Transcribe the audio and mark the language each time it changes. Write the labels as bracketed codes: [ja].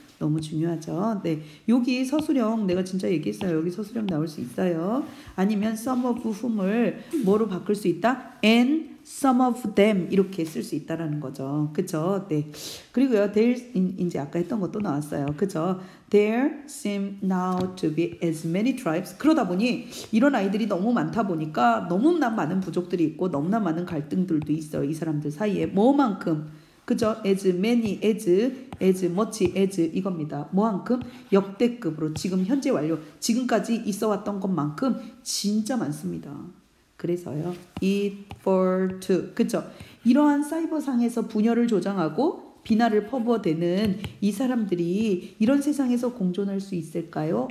[ko] 너무 중요하죠. 네, 여기 서술형 내가 진짜 얘기했어요. 여기 서술형 나올 수 있어요. 아니면 some of whom을 뭐로 바꿀 수 있다? [en] and some of them [ko] 이렇게 쓸 수 있다라는 거죠. 그죠? 네. 그리고요, there 이제 아까 했던 것도 나왔어요. 그죠? [en] There seem now to be as many tribes. [ko] 그러다 보니 이런 아이들이 너무 많다 보니까 너무나 많은 부족들이 있고 너무나 많은 갈등들도 있어요. 이 사람들 사이에 뭐만큼 그죠? [en] as many, as much, as [ko] 이겁니다. 뭐만큼? 역대급으로 지금 현재 완료 지금까지 있어 왔던 것만큼 진짜 많습니다. 그래서요. [en] eat for two. [ko] 그죠? 이러한 사이버상에서 분열을 조장하고 비난을 퍼부어대는 이 사람들이 이런 세상에서 공존할 수 있을까요?